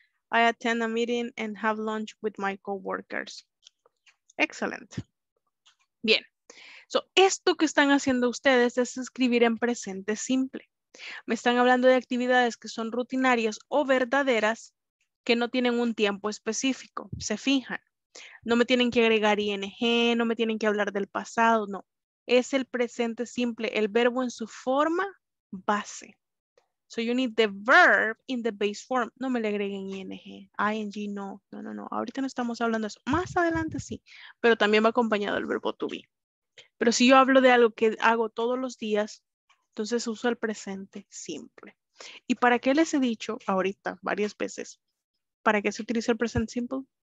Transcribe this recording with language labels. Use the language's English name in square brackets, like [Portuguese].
[English] I attend a meeting and have lunch with my coworkers. Excellent. [Spanish] Bien. So, esto que están haciendo ustedes es escribir en presente simple. Me están hablando de actividades que son rutinarias o verdaderas, que no tienen un tiempo específico, se fijan. No me tienen que agregar ing, no me tienen que hablar del pasado, no. Es el presente simple, el verbo en su forma base. [English] So you need the verb in the base form. [Spanish] No me le agreguen ing, ing, no, no, no, no. Ahorita no estamos hablando de eso. Más adelante sí, pero también va acompañado el verbo to be. Pero si yo hablo de algo que hago todos los días, entonces uso el presente simple. ¿Y para qué les he dicho ahorita varias veces? ¿Para qué se utiliza el present simple?